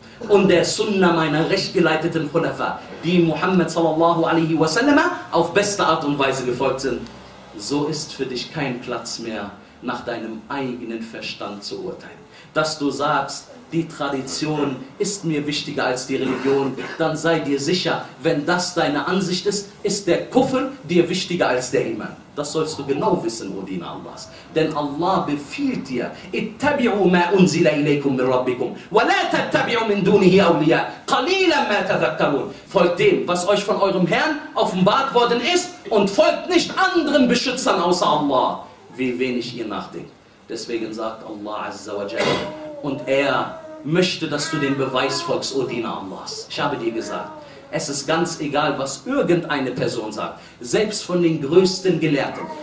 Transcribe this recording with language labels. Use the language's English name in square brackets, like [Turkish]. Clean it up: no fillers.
[German] Und der Sunna meiner rechtgeleiteten Khulafa, die Muhammad [Arabic] sallallahu alaihi wasallam [German] auf beste Art und Weise gefolgt sind, so ist für dich kein Platz mehr, nach deinem eigenen Verstand zu urteilen. Dass du sagst, die Tradition ist mir wichtiger als die Religion, dann sei dir sicher, wenn das deine Ansicht ist, ist der Kufr dir wichtiger als der Iman. Das sollst du genau wissen, o Diener Allahs. Denn Allah befiehlt dir, [Arabic] اتبعوا ما أنزل إليكم من ربكم ولا تتبعوا من دونه أولياء قليلا ما تذكرون. [German] Folgt dem, was euch von eurem Herrn offenbart worden ist und folgt nicht anderen Beschützern außer Allah, wie wenig ihr nachdenkt. Deswegen sagt Allah Azza wa Jalla, und er möchte, dass du den Beweis folgst, o Diener Allahs. Ich habe dir gesagt, es ist ganz egal, was irgendeine Person sagt, selbst von den größten Gelehrten.